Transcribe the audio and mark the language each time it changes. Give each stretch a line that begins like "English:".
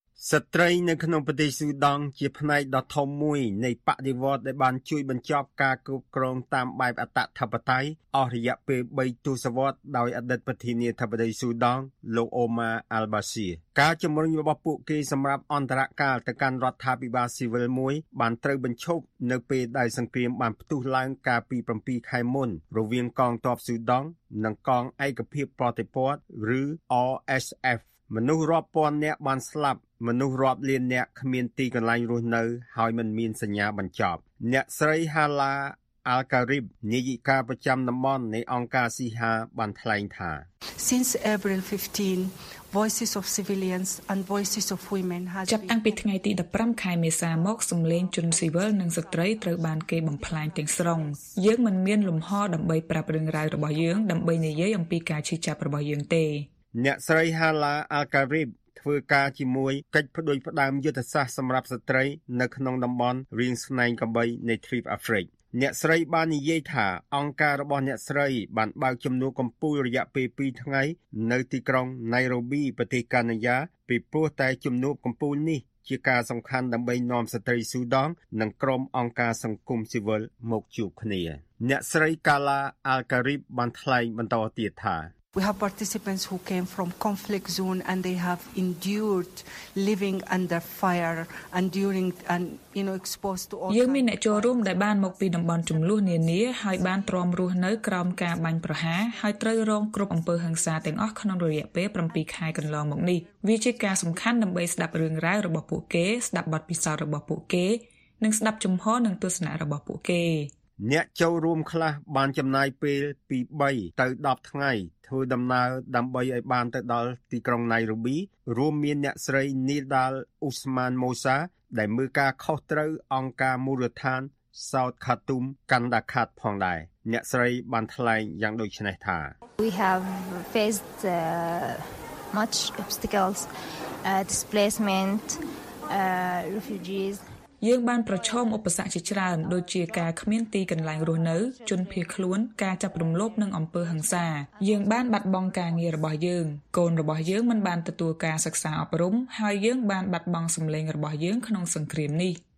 Khmer: ស្ត្រីនៅក្នុងប្រទេសស៊ូដង់ជាផ្នែកដ៏ធំមួយនៃបដិវត្តដែលបានជួយបញ្ចប់ការគ្រប់គ្រងតាមបែបអតតបតៃអស់រយៈពេល3ទសវត្សដោយអតីតប្រធានាធិបតីស៊ូដង់លោកអូម៉ាអាល់បាស៊ីការជំរុញរបស់ពួកគេសម្រាប់អន្តរកាលទៅកាន់រដ្ឋាភិបាលស៊ីវិលមួយបានត្រូវបញ្ឈប់នៅពេលដែលសង្គ្រាមបានផ្ទុះឡើងកាលពី7ខែមុនរវាងកងទ័ពស៊ូដង់និងកងឯកភាពប្រតិព័ទ្ធឬ RSF មនុស្សរាប់ពាន់នាក់បានស្លាប់មនុស្សរាប់លានអ្នកគ្មានទីកន្លែងរស់នៅហើយមិនមានសញ្ញាបញ្ចប់អ្នកស្រីហាឡាអាល់ការីបនាយិកាប្រចាំតំបន់នៃអង្គការស៊ីហាបានថ្លែងថា
English: Since April 15 voices of civilians and voices of women
Khmer: ចាប់តាំងពីថ្ងៃទី15ខែមេសាមកសំឡេងជនស៊ីវិលនិងស្ត្រីត្រូវបានគេបំផ្លាញទាំងស្រុងយើងមិនមានលំហដើម្បីប្រាប់រឿងរ៉ាវរបស់យើងដើម្បីនិយាយអំពីការឈឺចាប់របស់យើងទេ អ្នកស្រីហាឡាអាល់ការីបធ្វើការជាមួយកិច្ចផ្ដួចផ្ដើមយុទ្ធសាស្ត្រសម្រាប់ស្ត្រីនៅក្នុងតំបន់រៀងស្នែងកំបីនៃទ្វីបអាហ្វ្រិកអ្នកស្រីបាននិយាយថាអង្គការរបស់អ្នកស្រីបានបើកចំនួនកំពូលរយៈពេល2ថ្ងៃនៅទីក្រុងណៃរ៉ូប៊ីប្រទេសកាណាដាពីព្រោះតែចំនួនកំពូលនេះជាការសំខាន់ដើម្បីនាំស្ត្រីស៊ូដង់និងក្រុមអង្គការសង្គមស៊ីវិលមកជួបគ្នាអ្នកស្រីកាឡាអាល់ការីបបានថ្លែងបន្តទៀតថា
English: We have participants who came from conflict zone and they have endured living under fire and during and you know exposed to all
Khmer: យើងមានអ្នកចូលរួមដែលបានមកពីតំបន់ជម្លោះនានាហើយបានទ្រាំរស់នៅក្រោមការបាញ់ប្រហារហើយត្រូវរងគ្រប់អំពើហិង្សាទាំងអស់ក្នុងរយៈពេល7ខែកន្លងមកនេះវាជាការសំខាន់ដើម្បីស្ដាប់រឿងរ៉ាវរបស់ពួកគេស្ដាប់បទពិសោធន៍របស់ពួកគេនិងស្ដាប់ចំហនិងទស្សនៈរបស់ពួកគេ អ្នកចូលរួមខ្លះបានចំណាយពេលពី3ទៅ10ថ្ងៃធ្វើដំណើរដើម្បីឲ្យបានទៅដល់ទីក្រុងណៃរ៉ូប៊ីរួមមានអ្នកស្រីនីដាលអ៊ូស្មានម៉ូសាដែលមើលការខុសត្រូវអង្គការមូលដ្ឋានសោតខាទុមកាន់ដាខាត់ផងដែរអ្នកស្រីបានថ្លែងយ៉ាងដូចនេះថា
English: We have faced much obstacles displacement refugees
Khmer: យើងបានប្រឈមឧបសគ្គជាច្រើនដូចជាការគ្មានទីកន្លែងរស់នៅជនភៀសខ្លួនការចាប់រំលោភនិងអំពើហិង្សាយើងបានបាត់បង់ការងាររបស់យើងកូនរបស់យើងមិនបានទទួលការសិក្សាអប់រំហើយយើងបានបាត់បង់សំឡេងរបស់យើងក្នុងសង្គ្រាមនេះ